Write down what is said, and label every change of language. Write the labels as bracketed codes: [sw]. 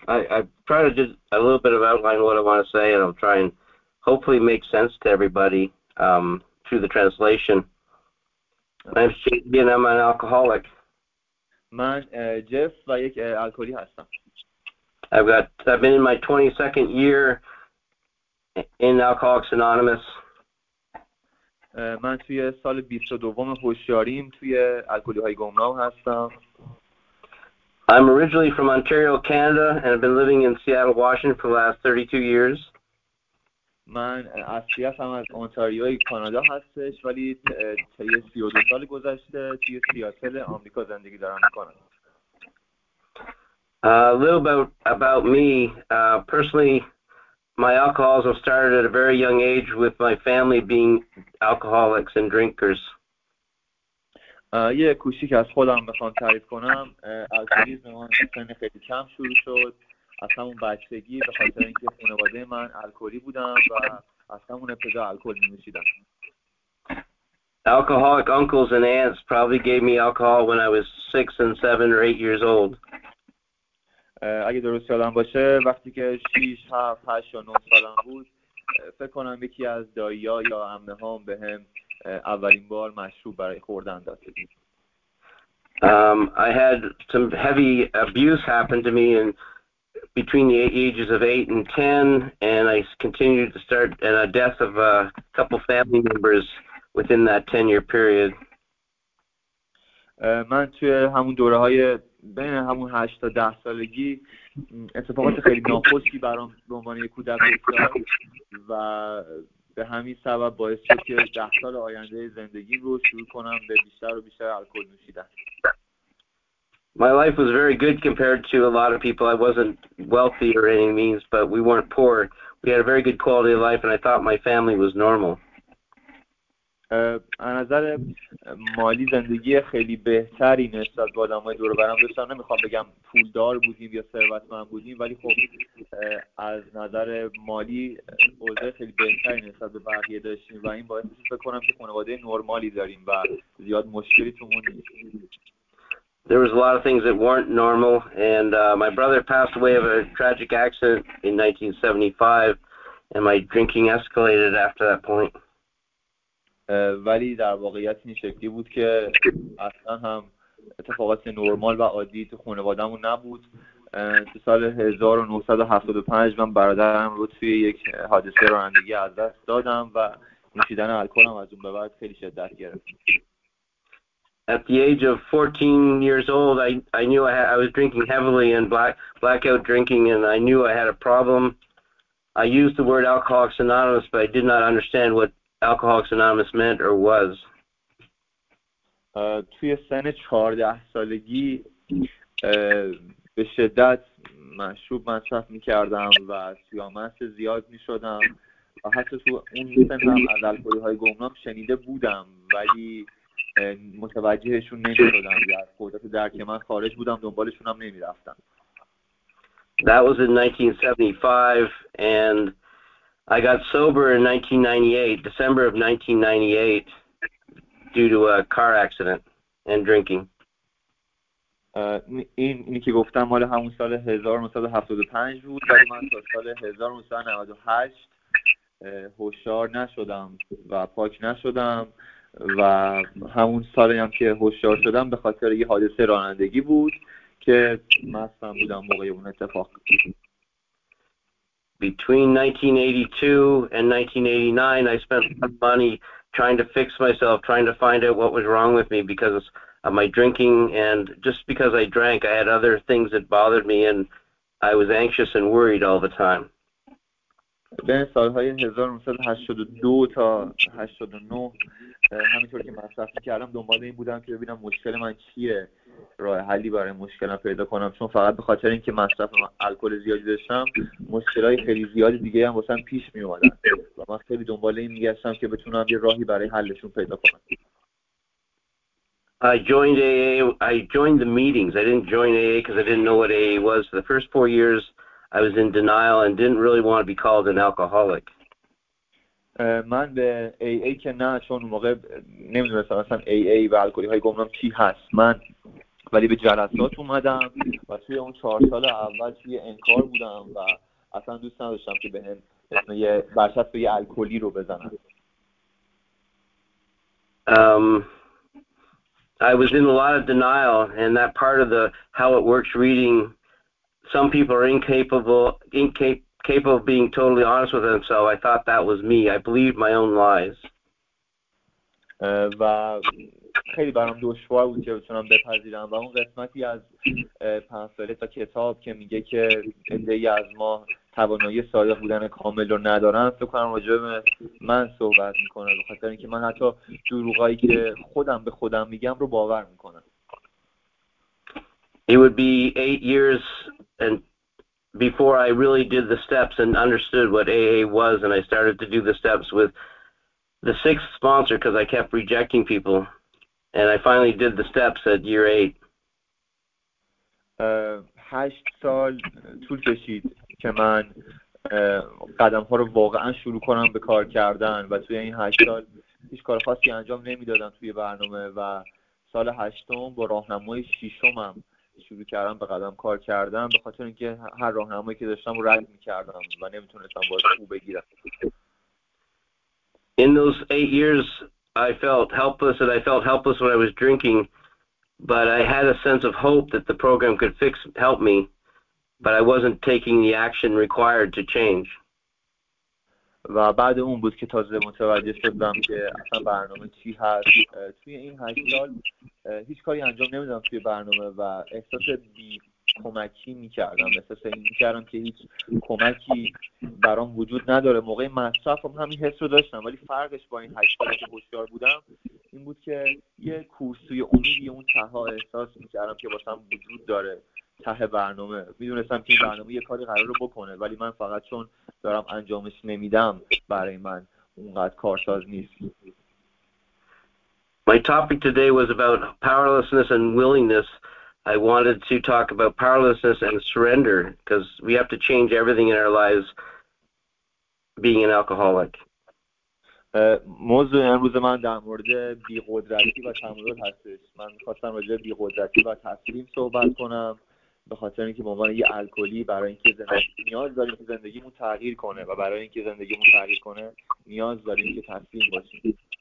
[en] I try to just a little bit of outline what I want to say, and I'll try and hopefully make sense to everybody through the translation. I'm Shabian, I'm an alcoholic. [fa] Man, Jeff, like alcoholic hastam. [en] I've been in my 22nd year in Alcoholics Anonymous. [fa] Man, توی سال 22م هوشیاریم توی الکلی های گمنام هستم. [en] I'm originally from Ontario, Canada, and I've been living in Seattle, Washington for the last 32 years. [fa] من اصلی هستم از اونتاریو کانادا هستش، ولی طی 32 سال گذشته توی سیاتل آمریکا زندگی دارم میکنم. [en] A little about me. Personally, my alcoholism started at a very young age with my family being alcoholics and drinkers. [fa] یه کوچیک از خودم بخوام تعریف کنم. الکلیسم من از سن خیلی کم شروع شد. از همون بچگی به خاطر اینکه خانواده من الکلی بودن و از همون ابتدا الکل می‌نوشیدم. [en] Alcoholic uncles and aunts probably gave me alcohol when I was 6 and 7 or 8 years old. [fa] اگه درست یادم باشه وقتی که 6 7 8 یا 9 سالم بود فکر کنم یکی از دایی ها یا عمه هام به هم اولین بار مشروب برای خوردن داد. [en] I had some heavy abuse happen to me and between the ages of 8 and 10, and I continued to start in a death of a couple family members within that 10-year period. [fa] من توی همون دوره‌های بین همون 8 تا 10 سالگی اتفاقات خیلی ناخوشی برام به عنوان یک کودک افتاد و به همین سبب باعث شد که 10 سال آینده زندگی رو شروع کنم به بیشتر و بیشتر الکل نوشیدن. [en] My life was very good compared to a lot of people. I wasn't wealthy or any means, but we weren't poor. We had a very good quality of life, and I thought my family was normal. [fa] از نظر مالی زندگی خیلی بهتری نسبت به آدمای دور و برم داشتم. نمیخوام بگم پولدار بودیم یا ثروتمند بودیم، ولی خب از نظر مالی اوضاع خیلی بهتری نسبت به بقیه داشتیم و این باعث شد فکر کنم که خانواده نرمالی داریم و زیاد مشکلی تومون نیست. [en] There was a lot of things that weren't normal, and my brother passed away of a tragic accident in 1975, and my drinking escalated after that point. [fa] ولی در واقعیت این شکلی بود که اصلا هم اتفاقات نرمال و عادی تو خانواده‌مون نبود. تو سال 1975 من برادرم رو توی یک حادثه رانندگی از دست دادم و نوشیدن الکلم از اون به بعد خیلی شدت گرفت. [en] At the age of 14 years old, I knew I was drinking heavily and blackout drinking, and I knew I had a problem. I used the word Alcoholics Anonymous, but I did not understand what Alcoholics Anonymous meant or was. [fa] توی سن 14 سالگی به شدت مشروب مصرف می‌کردم و سیامست زیاد می‌شدم. حتی تو اون سن هم از الکلی‌های گمنام شنیده بودم، ولی متوجهشون نمی‌شدم یا قدرت درک من خارج بودم، دنبالشون هم نمی‌رفتم. [en] That was in 1975 and I got sober in 1998, December of 1998 due to a car accident and drinking. [fa] اینی که گفتم مال همون سال 1975 بود، ولی من تا سال 1998 هوشیار نشدم و پاک نشدم. و همون سالی هم که هوشیار شدم به خاطر یه حادثه رانندگی بود که مستم بودم موقع اون اتفاق. [en] Between 1982 and 1989 I spent a lot of money trying to fix myself, trying to find out what was wrong with me because of my drinking, and just because I drank, I had other things that bothered me, and I was anxious and worried all the time. [fa] بین سالهای 1982 تا 89 همینطور که مصرف کردم دنبال این بودم که ببینم مشکل من چیه، راه حلی برای مشکلم پیدا کنم، چون فقط به خاطر اینکه مصرف الکل زیادی داشتم مشکلای خیلی زیادی دیگه هم واسم پیش می اومدن و من خیلی دنبال این میگشتم که بتونم یه راهی برای حلشون پیدا کنم. [en] I joined the meetings. I didn't join AA because I didn't know what AA was. For the first 4 years I was in denial and didn't really want to be called an alcoholic. [fa] من به AA که نه، چون موقع نمیدونستم اصلا AA و الکلی های گمنام چی هست. من ولی به جلسات اومدم و توی اون 4 سال اول توی انکار بودم و اصلا دوست نداشتم که به هم اسم یه برشت به یه الکلی رو بزنم. [en] I was in a lot of denial, and that part of the how it works reading, some people are incapable of being totally honest with themselves. I thought that was me. I believed my own lies. [fa] و خیلی برام دشوار بود که بتونم بپذیرم. و اون قسمتی از پنسوله تا کتاب که میگه که ادهی از ما توانایی صادق بودن کامل رو ندارن، فکر کنم راجع به من صحبت میکنه، بخاطر اینکه من حتی دروغایی که خودم به خودم میگم رو باور میکنم. [en] It would be 8 years and before I really did the steps and understood what AA was, and I started to do the steps with the sixth sponsor because I kept rejecting people, and I finally did the steps at year 8. [fa] 8 سال طول کشید که من قدم ها رو واقعا شروع کنم به کار کردن، و توی این 8 سال هیچ کار خاصی انجام نمیدادم توی برنامه، و سال 8 با راهنمای 6 شروع کردم به قدم کار کردن، به خاطر اینکه هر راهنمایی که داشتم رو رد می‌کردم و نمیتونستم باز خوب بگیرم. [en] In those 8 years I felt helpless, and I felt helpless when I was drinking, but I had a sense of hope that the program could fix help me, but I wasn't taking the action required to change. [fa] و بعد اون بود که تازه متوجه شدم که اصلا برنامه چی هست. توی این 8 سال هیچ کاری انجام نمیدادم توی برنامه و احساس بی کمکی میکردم، احساس این میکردم که هیچ کمکی برام وجود نداره. موقع مصرف هم همین حس رو داشتم، ولی فرقش با این 8 سال که هوشیار بودم این بود که یه کورسوی امید، یه اون تها احساس میکردم که واسم وجود داره ته برنامه. میدونستم که این برنامه یه کاری قراره بکنه، ولی من فقط چون دارم انجامش نمیدم برای من اونقدر کارساز نیست. [en] My topic today was about powerlessness and willingness. I wanted to talk about powerlessness and surrender because we have to change everything in our lives being an alcoholic. [fa] موضوع امروز من در مورد بی‌قدرتی و تمرد هستش. من می‌خواستم راجع به بی‌قدرتی و تسلیم صحبت کنم، به خاطر اینکه به عنوان یه الکلی برای اینکه زندگی نیاز داریم که زندگیمون تغییر کنه، و برای اینکه زندگیمون تغییر کنه نیاز داریم که تسلیم باشیم.